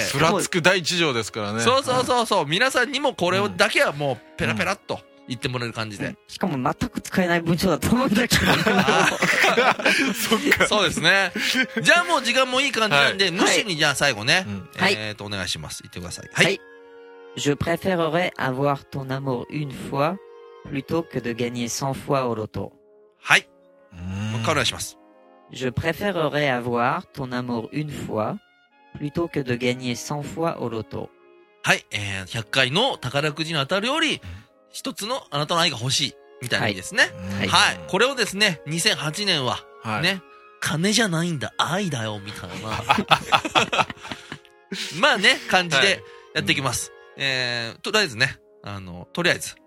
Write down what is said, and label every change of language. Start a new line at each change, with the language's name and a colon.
Japanese: ふらつく第一条ですからね。そうそうそうそう、皆さんにもこれだけはもうペラペラっと言ってもらえる感じで、うんうん、しかも全く使えない文章だと思うんだけど。そっか。そうですね。じゃあもう時間もいい感じなんで、はい、無視に、じゃあ最後ね、はい、お願いします、言ってください。
French: はい、Je préférerais avoir ton amour une fois plutôt que de gagner 100 fois au loto。
Japanese: はい、もう一回お願いします。
French: Je préférerais avoir ton amour une fois plutôt que de gagner 100 fois au loto。
Japanese: はい、100回の宝くじの当たるより一つのあなたの愛が欲しいみたいな意味ですね、はい、はい、これをですね2008年はね、はい、金じゃないんだ愛だよみたいなまあね感じでやっていきます、はい、とりあえずね、とりあえず、